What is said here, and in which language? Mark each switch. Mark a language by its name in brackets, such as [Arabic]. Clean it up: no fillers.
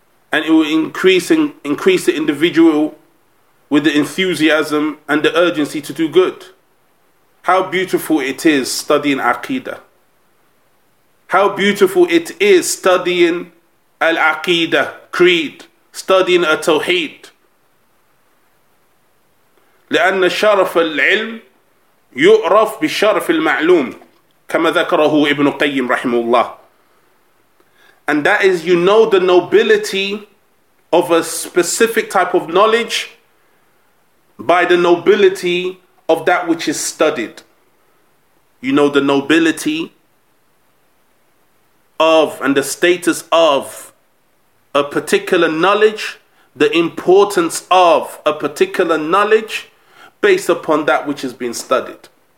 [English] And it will increase the individual with the enthusiasm and the urgency to do good. How beautiful it is studying aqidah. How beautiful it is studying al-aqidah, creed, studying al-tawheed. [Arabic] لأن شرف العلم يعرف بشرف المعلوم كما ذكره ابن قيم رحمه الله. [English] And that is, you know the nobility of a specific type of knowledge by the nobility of that which is studied. You know the nobility of and the status of a particular knowledge, the importance of a particular knowledge based upon that which has been studied.